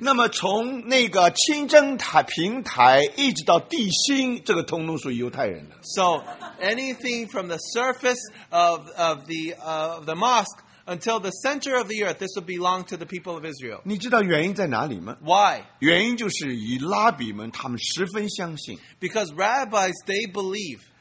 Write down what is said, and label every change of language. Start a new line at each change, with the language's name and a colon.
Chinese: 那么从那个清真塔平台一直到地心，这个通路属于犹太人的。
English: So anything from the surface of the mosque until the center of the earth, this will belong to the people of Israel.
Chinese: 你知道原因在哪里吗
English: ？Why?
Chinese: 原因就是以拉比们他们十分相信。
English: Because rabbis they believe.